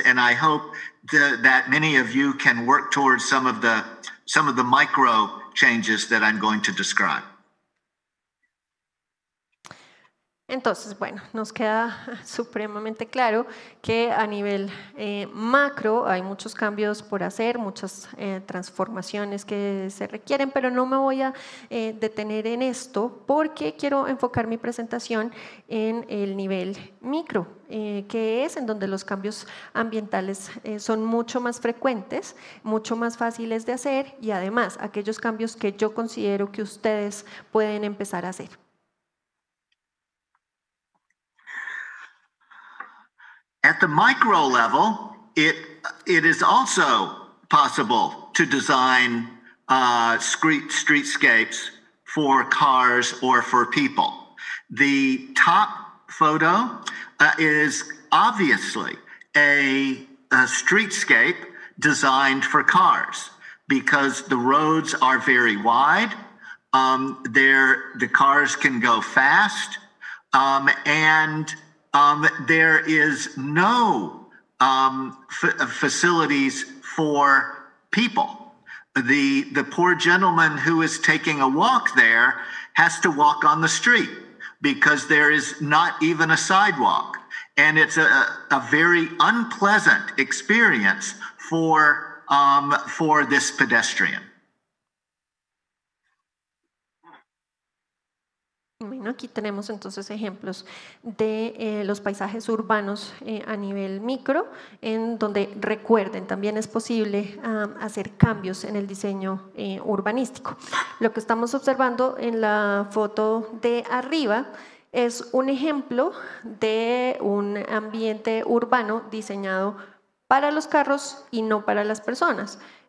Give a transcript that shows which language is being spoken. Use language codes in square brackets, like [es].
[en] And I hope that many of you can work towards some of the micro changes that I'm going to describe. [es] Entonces, bueno, nos queda supremamente claro que a nivel macro hay muchos cambios por hacer, muchas transformaciones que se requieren, pero no me voy a detener en esto porque quiero enfocar mi presentación en el nivel micro, que es en donde los cambios ambientales son mucho más frecuentes, mucho más fáciles de hacer y además aquellos cambios que yo considero que ustedes pueden empezar a hacer. [en] At the micro level, it is also possible to design streetscapes for cars or for people. The top photo is obviously a streetscape designed for cars because the roads are very wide. The cars can go fast and there is no facilities for people. The poor gentleman who is taking a walk there has to walk on the street because there is not even a sidewalk. And it's a very unpleasant experience for this pedestrian. [es] Bueno, aquí tenemos entonces ejemplos de los paisajes urbanos a nivel micro, en donde recuerden, también es posible hacer cambios en el diseño urbanístico. Lo que estamos observando en la foto de arriba es un ejemplo de un ambiente urbano diseñado para los carros y no para las personas.